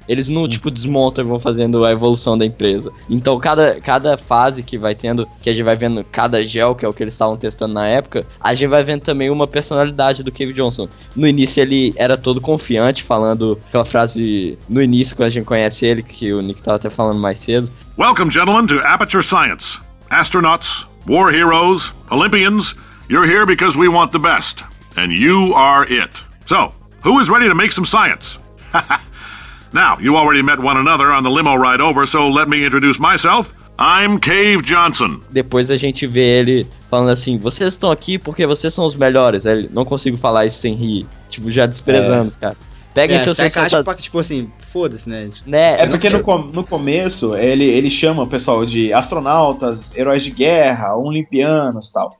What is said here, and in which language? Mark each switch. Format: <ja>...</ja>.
<pt>Eles não, tipo, desmontam e vão fazendo a evolução da empresa. Então, cada fase que vai tendo, que a gente vai vendo cada gel, que é o que eles estavam testando na época, a gente vai vendo também uma personalidade do Cave Johnson. No início, ele era todo confiante, falando aquela frase no início, quando a gente conhece ele, que o Nick tava até falando mais cedo.</pt> <en>Welcome, gentlemen, to Aperture Science. Astronauts, war heroes, Olympians, you're here because we want the best, and you are it. So, who is ready to make some science? Now, you already met one another on the limo ride over, so let me introduce myself. I'm Cave Johnson.</en> <pt>Depois a gente vê ele falando assim, vocês estão aqui porque vocês são os melhores. Ele não consigo falar isso sem rir, tipo, já desprezando, cara. Pega seu sacado. Pra que, tipo assim, foda-se, né? Né? É porque no começo ele chama o pessoal de astronautas, heróis de guerra, olimpianos e tal.</pt>